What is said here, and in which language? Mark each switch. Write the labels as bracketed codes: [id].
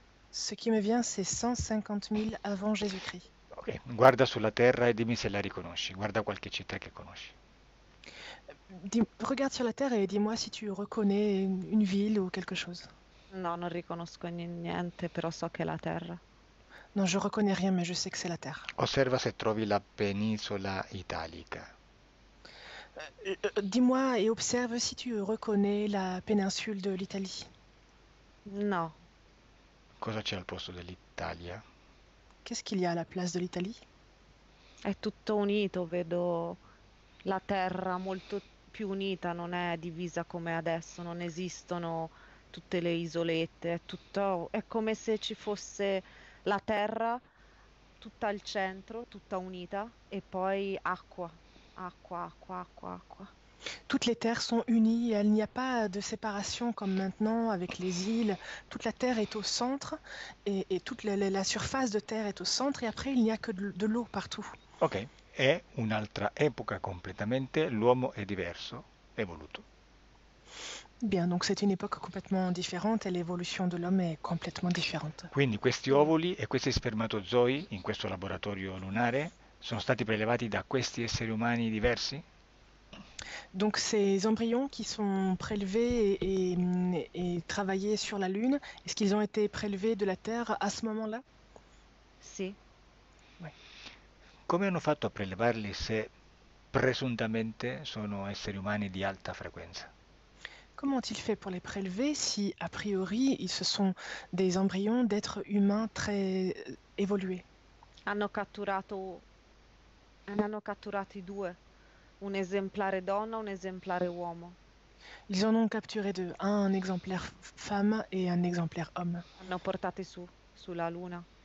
[fr] Ce qui me vient, c'est 150 000 avant Jésus-Christ. [it] Ok, guarda sulla Terra e dimmi se la riconosci. Guarda qualche città che conosci. [fr] Regarde sur la Terre et dis-moi si tu reconnais une ville ou quelque chose. [it] No, non riconosco niente, però so che è la Terra. [fr] Non, je reconnais rien, mais je sais que c'est la Terre. [it] Osserva se trovi la penisola italica. [fr] Dis-moi et observe si tu reconnais la péninsule de l'Italie. [it] No. Cosa c'è al posto dell'Italia? È [fr] Qu'est-ce qu'il y a à la place de l'Italie? [it] tutto unito, vedo la terra molto più unita, non è divisa come adesso, non esistono tutte le isolette, è come se ci fosse la terra tutta al centro, tutta unita, e poi acqua, acqua, acqua, acqua, acqua. [fr] Toutes les terres sont unies, il n'y a pas de séparation comme maintenant avec les îles. Toute la terre est au centre et toute la surface de terre est au centre et après il n'y a que de l'eau partout. [it] Ok, è un'altra epoca completamente, l'uomo è diverso, evoluto. [fr] Bien, donc c'est une époque complètement différente et l'évolution de l'homme est complètement différente. [it] Quindi questi ovuli e questi spermatozoi in questo laboratorio lunare sono stati prelevati da questi esseri umani diversi? [fr] Donc ces embryons qui sont prélevés et travaillés sur la Lune, est-ce qu'ils ont été prélevés de la Terre à ce moment-là? [it] Sì. Come hanno fatto a prelevarli se presuntamente sono esseri umani di alta frequenza? [fr] Comment ont-ils fait pour les prélever si, a priori, ils se sont des embryons d'êtres humains très évolués? [it] Ne hanno catturati due, un esemplare donna, un esemplare uomo. [fr] Ils en ont capturé deux, un exemplaire femme et un exemplaire homme. [it] Hanno portati sulla Luna.